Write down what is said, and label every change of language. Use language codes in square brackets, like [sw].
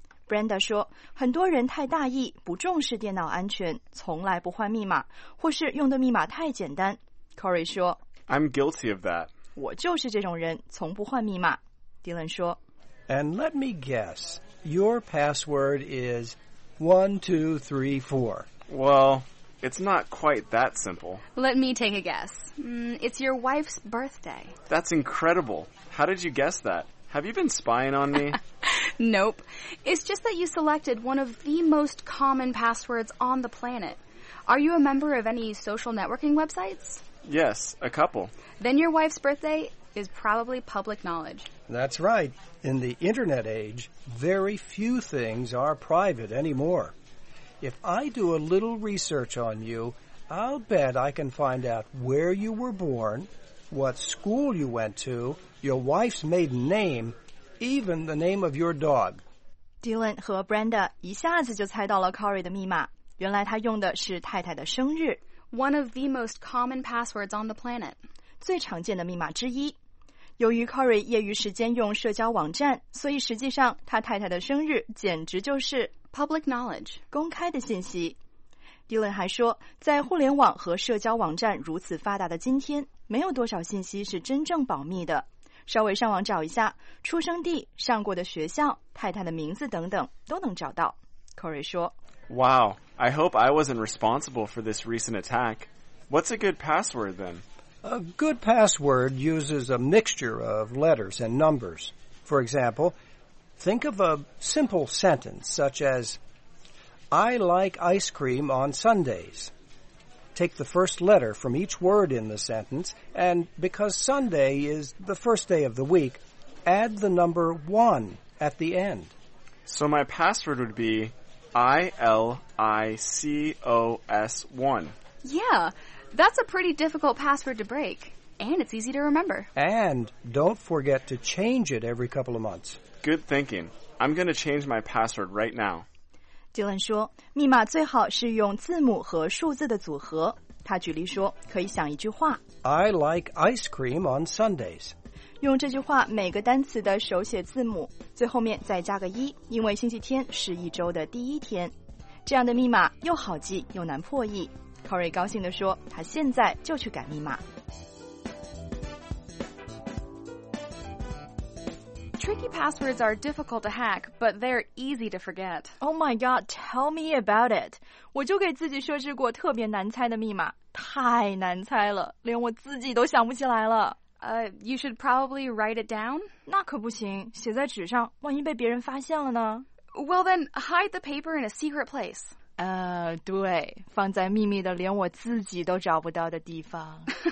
[zh] Brenda 说，很多人太大意，不重视电脑安全，从来不换密码，或是用的密码太简单。 Corey 说， [en] I'm guilty of that. [zh] 我就是这种人，从不换密码。 Dylan 说， [en] And let me guess, your password is 1234. Well... It's not quite that simple. Let me take a guess. It's your wife's birthday. That's incredible. How did you guess that? Have you been spying on me? Nope. It's just that you selected one of the most common passwords on the planet. Are you a member of any social networking websites? Yes, a couple. Then your wife's birthday is probably public knowledge. That's right. In the internet age, very few things are private anymore. If I do a little research on you, I'll bet I can find out where you were born, what school you went to, your wife's maiden name, even the name of your dog. [zh] Dylan 和 Brenda 一下子就猜到了 Corey 的密码，原来他用的是太太的生日。 [en] One of the most common passwords on the planet. [zh] 最常见的密码之一。由于 Corey 业余时间用社交网站，所以实际上他太太的生日简直就是 [en] public knowledge, [zh] 公开的信息。 Dylan 还说，在互联网和社交网站如此发达的今天，没有多少信息是真正保密的。稍微上网找一下，出生地、上过的学校、太太的名字等等，都能找到。 Corey 说 [en] ，Wow, I hope I wasn't responsible for this recent attack. What's a good password then? A good password uses a mixture of letters and numbers. For example, think of a simple sentence such as, I like ice cream on Sundays. Take the first letter from each word in the sentence, and because Sunday is the first day of the week, add the number 1 at the end. So my password would be ILICOS1. Yeah, that's a pretty difficult password to break, and it's easy to remember. And don't forget to change it every couple of months. Good thinking. I'm going to change my password right now. [zh] Dylan 说，密码最好是用字母和数字的组合。他举例说，可以想一句话 [en] I like ice cream on Sundays. [zh] 用这句话每个单词的手写字母，最后面再加个一，因为星期天是一周的第一天。这样的密码又好记又难破译。Corey 高兴地说，他现在就去改密码。 [en] Tricky passwords are difficult to hack, but they're easy to forget. Oh my god, tell me about it. [zh] 我就给自己设置过特别难猜的密码，太难猜了，连我自己都想不起来了。 [en] You should probably write it down? [zh] 那可不行，写在纸上，万一被别人发现了呢？ [en] Well then, hide the paper in a secret place. [zh] 对，放在秘密的连我自己都找不到的地方。